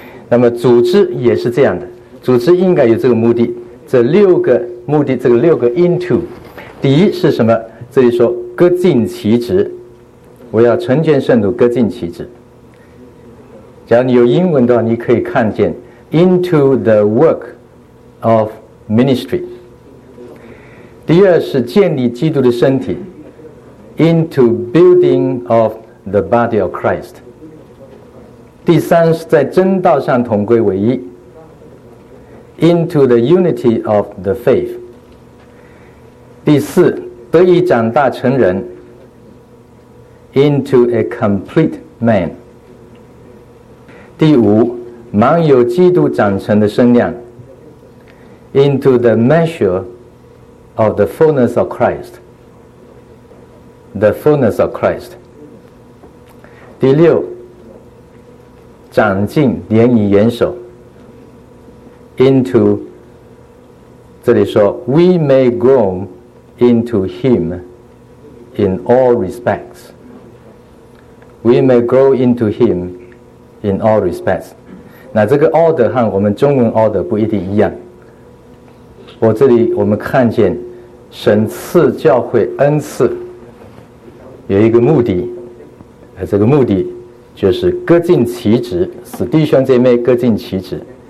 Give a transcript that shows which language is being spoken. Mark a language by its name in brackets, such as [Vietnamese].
[Chinese] 那么组织也是这样的。组织应该有这个目的，这六个目的，这个六个 into， 第一是什么？这里说各尽其职，我要成全圣徒，各尽其职。假如你有英文的话，你可以看见 [English] into the work of ministry。 [Chinese] 第二是建立基督的身体 [English] ，into building of the body of Christ。 [Chinese] 第三是在真道上同归为一。 [English] Into the unity of the faith. [Chinese] 第四，得以长大成人。 [English] Into a complete man. [Chinese] 第五，满有基督长成的身量。 [English] Into the measure of the fullness of Christ. The fullness of Christ. [Chinese] 第六，长进，连以元首。 [English] Into, [Chinese] 这里说 [English] we may grow into him in all respects. We may grow into him in all respects. [Chinese] 那这个 order 和我们中文 order 不一定一样。我这里我们看见神赐教会恩赐有一个目的，而这个目的就是各尽其职，使弟兄姐妹各尽其职。